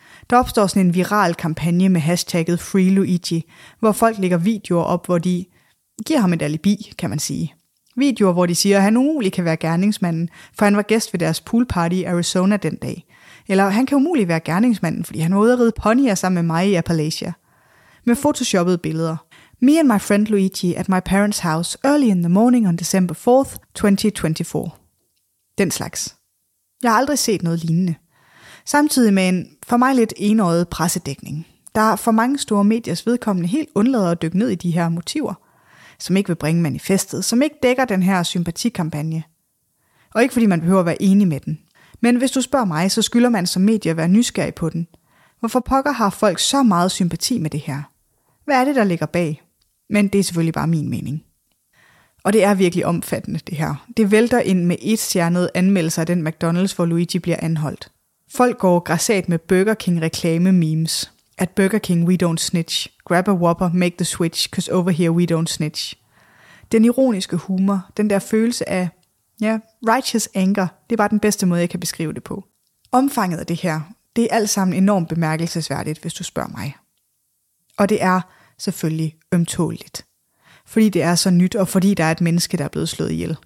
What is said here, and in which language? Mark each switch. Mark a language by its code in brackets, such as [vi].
[da] Der opstår sådan en viral kampagne med hashtagget FreeLuigi, hvor folk lægger videoer op, hvor de giver ham et alibi, kan man sige. Videoer, hvor de siger, at han umuligt kan være gerningsmanden, for han var gæst ved deres poolparty i Arizona den dag. Eller han kan umuligt være gerningsmanden, fordi han var ude at ride ponyer sammen med mig i Appalachia. Med photoshoppede billeder. [en] Me and my friend Luigi at my parents' house early in the morning on December 4th, 2024. [da] Den slags. Jeg har aldrig set noget lignende. Samtidig med en for mig lidt enøjet pressedækning. Der er for mange store mediers vedkommende helt undlader at dykke ned i de her motiver, som ikke vil bringe manifestet, som ikke dækker den her sympatikampagne. Og ikke fordi man behøver at være enig med den. Men hvis du spørger mig, så skylder man som medie at være nysgerrig på den. Hvorfor pokker har folk så meget sympati med det her? Hvad er det, der ligger bag? Men det er selvfølgelig bare min mening. Og det er virkelig omfattende, det her. Det vælter ind med et stjernet anmeldelse af den McDonald's, hvor Luigi bliver anholdt. Folk går græssat med Burger King reklame memes. [en] At Burger King, we don't snitch. Grab a Whopper, make the switch, cause over here we don't snitch. [da] Den ironiske humor, den der følelse af, ja, [en] righteous anger, [da] det er bare den bedste måde, jeg kan beskrive det på. Omfanget af det her, det er alt sammen enormt bemærkelsesværdigt, hvis du spørger mig. Og det er selvfølgelig ømtåligt. Fordi det er så nyt, og fordi der er et menneske, der er blevet slået ihjel.